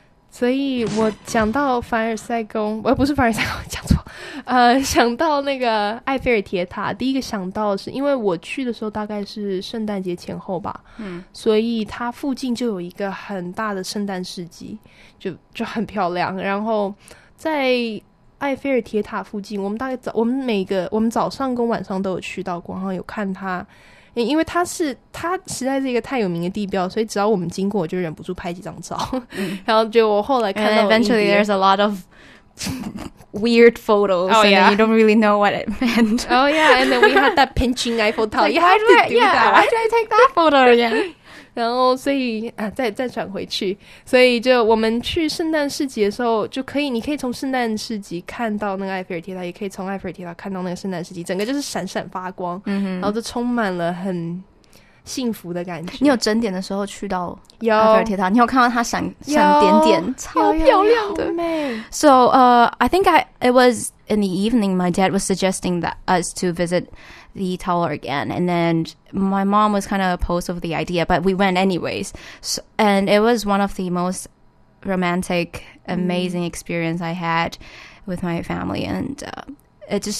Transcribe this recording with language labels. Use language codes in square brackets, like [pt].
[zh] 所以我讲到凡尔赛宫，不是凡尔赛宫，讲错，想到那个埃菲尔铁塔，第一个想到是因为我去的时候大概是圣诞节前后吧，所以它附近就有一个很大的圣诞市集，就很漂亮。然后在埃菲尔铁塔附近，我们早上跟晚上都有去到过，然后有看它。因为它实在是一个太有名的地标，所以只要我们经过，我就忍不住拍几张照。然后就我后来看到 [en] And eventually there's a lot of weird photos,、 oh, yeah. and you don't really know what it meant. Oh yeah, and then we had that pinching Eiffel Tower. Like, you have to do that. Yeah, why did I take that photo again? [zh] 然后所以、啊、再转回去，所以就我们去圣诞市集的时候就可以，你可以从圣诞市集看到那个埃菲尔铁塔，也可以从埃菲尔铁塔看到那个圣诞市集，整个就是闪闪发光、 mm-hmm. 然后就充满了很幸福的感觉。你有整点的时候去到埃菲尔铁塔，你有看到它闪点点，超漂亮的美。 [en] So I think it was in the evening my dad was suggesting that us to visit the tower again, and then my mom was kind of opposed of the idea, but we went anyways. So, and it was one of the most romantic, amazing experience I had with my family, and it just